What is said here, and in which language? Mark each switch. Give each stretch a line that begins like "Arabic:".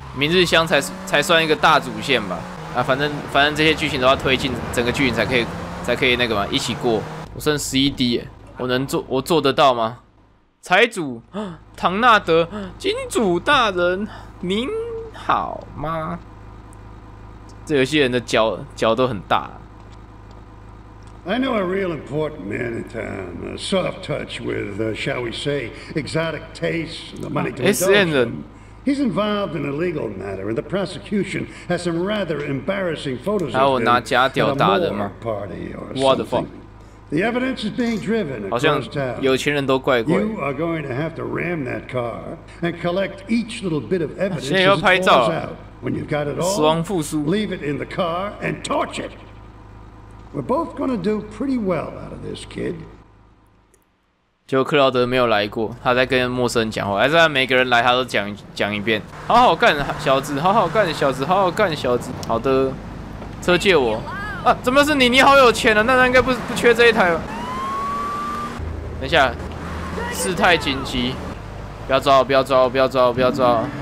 Chinese: 明日香才算一个大主线吧。啊，反正这些剧情都要推进，整个剧情才可以那个嘛，一起过。我剩11滴耶，我做得到吗？财主唐纳德，金主大人，您好吗？这游戏人的脚都很大。
English: I know a real important man in town, a soft touch with, shall we say, exotic tastes, and the money to indulge him. He's involved in a legal matter, and the prosecution has some rather embarrassing photos of him at a moor party or something. The evidence is being driven across town.
Chinese: 有钱人都怪怪。
English: You are going to have to ram that car and collect each little bit of evidence as it falls out. When you've got it all, leave it in the car and torch it. We're both gonna do pretty well out of this, kid.
Chinese: 结果克劳德没有来过，他在跟陌生人讲话，还是他每个人来他都讲一遍。好好干，小子，好好干，小子，好好干，小子。好的，车借我。啊，怎么是你？你好有钱啊，那应该不缺这一台吧？等一下，事态紧急，不要抓我，不要抓我，不要抓我，不要抓我。